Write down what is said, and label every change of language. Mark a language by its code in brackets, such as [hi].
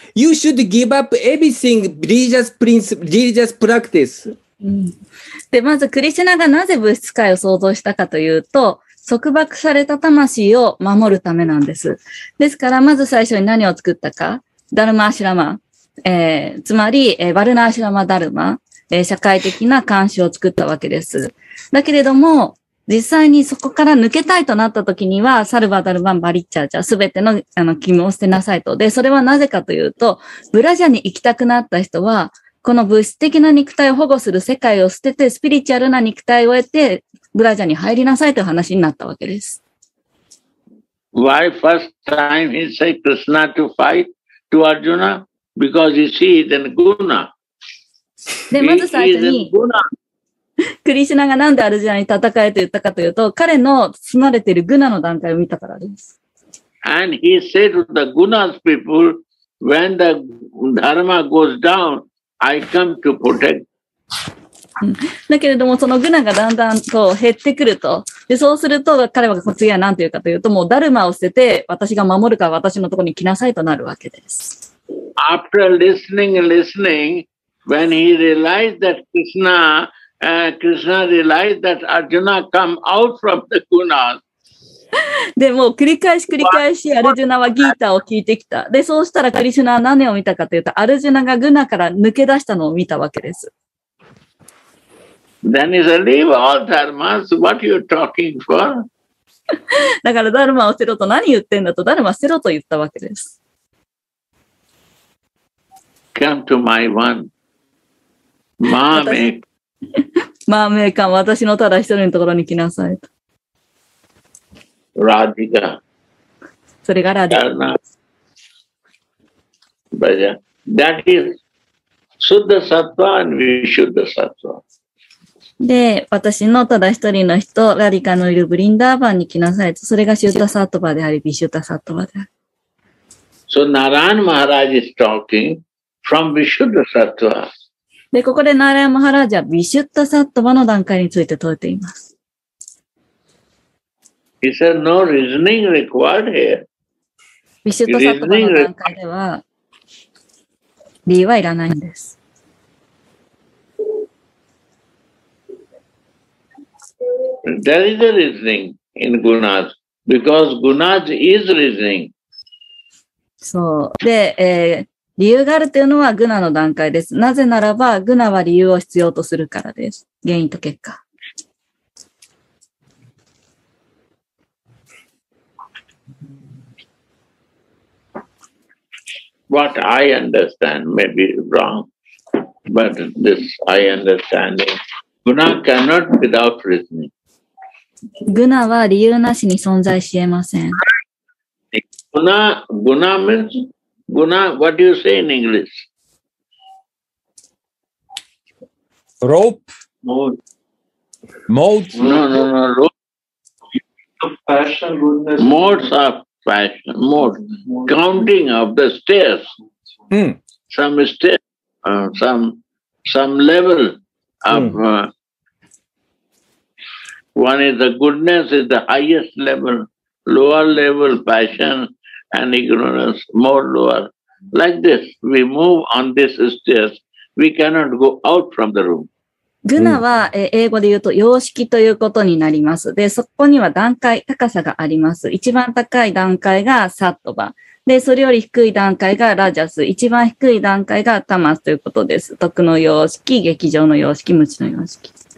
[en] You should give up everything, religious principle, religious practice. [ja] で、まずクリシュナがなぜ物質界を創造したかというと、束縛された魂を守るためなんです。ですから、まず最初に何を作ったか、ダルマアシュラマ、つまり、ヴァルナアシュラマダルマ、社会的な監視を作ったわけです。だけれども、実際にそこから抜けたいとなった時には、サルバダルバンバリッチャーじゃ、すべての、君を捨てなさいと。で、それはなぜかというと、ブラジャに行きたくなった人は、この物質的な肉体を保護する世界を捨てて、スピリチュアルな肉体を得て、ブラジャに入りなさいという話になったわけです。 [en] Why first time he said Krishna to fight to Arjuna? Because you see, then Guna. [ja] で、まず最初に。クリシュナがなんでアルジュナに戦えと言ったかというと、彼の住まれているグナの段階を見たからです。 [en] And he said to the Guna's people, when the dharma goes down, I come to protect. [ja] だけれども、そのグナがだんだんと減ってくると、でそうすると彼は次は何というかというと、もうダルマを捨てて、私が守るから私のところに来なさいとなるわけです。 [en] After listening, when he realized that Krishna realized that Arjuna come out from the Guna. [ja] でも繰り返しアルジュナはギータを聞いてきた。でそうしたらクリシュナは何を見たかというと、アルジュナがグナから抜け出したのを見たわけです。 [en] Then he said, leave all dharmas. What are you talking for? [ja] だからダルマを捨てろと何言ってんだと、ダルマ捨てろと言ったわけです。 [en] Come to my one. マーメイク。 [ja] マーメーカン、私のただ一人のところに来なさいと。ラディガ。それがラディガ。ダルマ。 [en] バジャ。That is Shuddha Sattva and Vishuddha Sattva。 [ja] で、私のただ一人の人、ラディカのいるブリンダーバンに来なさいと。それがシュッダサットバであり、ビシュッダサットバである。 [en] So Narayan Maharaj is talking from Vishuddha Sattva。 [ja] で、ここでナーラヤマハラージャ、ビシュッタサットバの段階について説いています。 [en] He said, no reasoning required here. [ja] ビシュッタサットバの段階では、理由はいらないんです。 [en] There is a reasoning in Gunas, because Gunas is reasoning. [ja] そう。で、理由があるというのはグナの段階です。なぜならば、グナは理由を必要とするからです。原因と結果。 [en] What I understand may be wrong, but this I understand is, Guna cannot without reasoning. [ja] グナは理由なしに存在しえません。 [en] Guna means? Guna, what do you say in English? Rope? Mode? No, rope. Fashion, modes of fashion, mode. Counting of the stairs. Some stairs, some level of... one is the goodness is the highest level, lower level passion and ignorance, more lower. Like this, we move on this stairs. We cannot go out from the room. [ja] グナは英語で言うと様式ということになります。で、そこには段階、高さがあります。一番高い段階がサットバ。で、それより低い段階がラジャス。一番低い段階がタマスということです。徳の様式、劇場の様式、無知の様式。